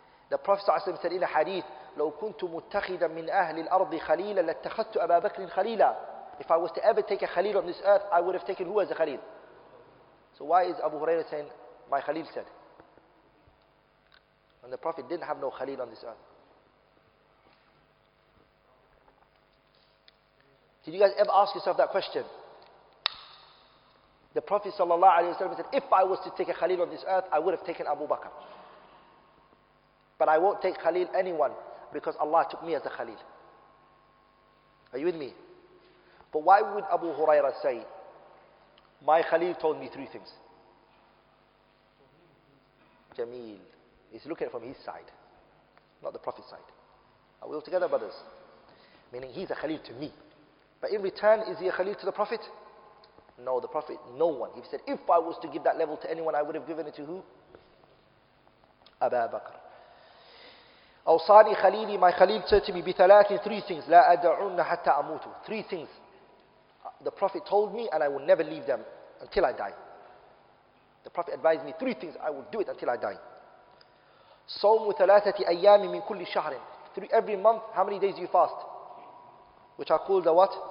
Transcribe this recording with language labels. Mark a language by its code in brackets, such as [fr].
[en] The Prophet ﷺ said in a hadith, [ar] لو كنت متخذا من أهل الأرض خليلا لاتخذت أبا بكر خليلا. [en] If I was to ever take a خليل on this earth, I would have taken who as a خليل. So why is Abu Huraira saying, my خليل said? And the Prophet didn't have no خليل on this earth. Did you guys ever ask yourself that question? The Prophet ﷺ said, if I was to take a خليل on this earth, I would have taken Abu Bakr. But I won't take Khalil anyone because Allah took me as a Khalil. Are you with me? But why would Abu Hurairah say, my Khalil told me three things? Jameel. He's looking from his side, not the Prophet's side. Are we all together, brothers? Meaning he's a Khalil to me. But in return, is he a Khalil to the Prophet? No, the Prophet, no one. He said, if I was to give that level to anyone, I would have given it to who? Aba Bakr. [ar] أوصاني خليلي, [en] my Khalil said to me, بثلاث, three things, [ar] لا أدعون حتى أموت. [en] Three things the Prophet told me and I will never leave them until I die. The Prophet advised me three things, I will do it until I die. [ar] صوم ثلاثة أيام من كل شهر. [en] Every month, how many days do you fast? Which are called the what?